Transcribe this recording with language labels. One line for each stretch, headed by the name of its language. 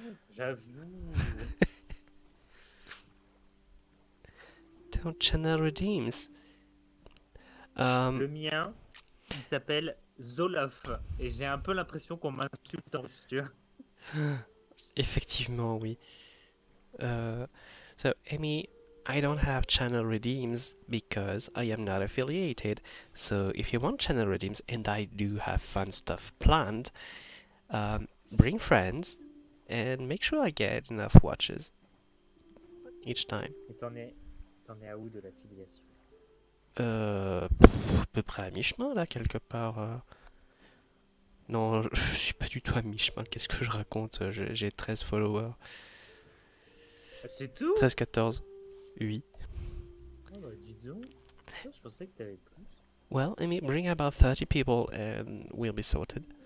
French: J'avoue.
English: Don't channel redeems.
French: Le mien, il s'appelle Zolof. Et j'ai un peu l'impression qu'on m'insulte en russe, tu vois. Effectivement, oui.
English: So, Amy, I don't have channel redeems because I am not affiliated. So, if you want channel redeems, and I do have fun stuff planned, bring friends and make sure I get enough watches each time.
French: Et t'en es à où de l'affiliation? À peu près à mi-chemin, là, quelque part. Non, je suis pas du tout à mi-chemin, qu'est-ce que je raconte? J'ai 13 followers. C'est tout? 13, 14, 8. Oh bah dis donc, oh, je pensais que t'avais plus.
English: Well, Amy, bring about 30 people and we'll be sorted.